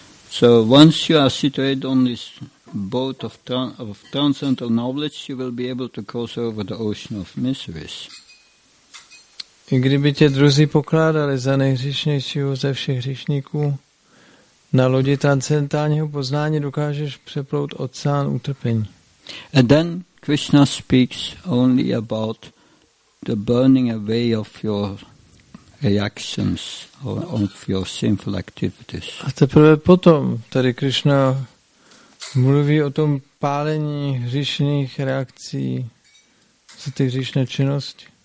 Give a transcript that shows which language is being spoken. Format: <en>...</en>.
<en>So once you are situated on this boat of transcendental knowledge, you will be able to cross over the ocean of miseries.</en> <cs>I kdyby tě druzí pokládali za nejhříšnějšího ze všech hříšníků, na lodi transcendentálního poznání dokážeš přeplout oceán utrpení.</cs> <en>And then Krishna speaks only about the burning away of your reactions or of your sinful activities.</en> <cs>A teprve potom tady Krishna mluví o tom pálení hříšných reakcí za ty hříšné činnosti.</cs>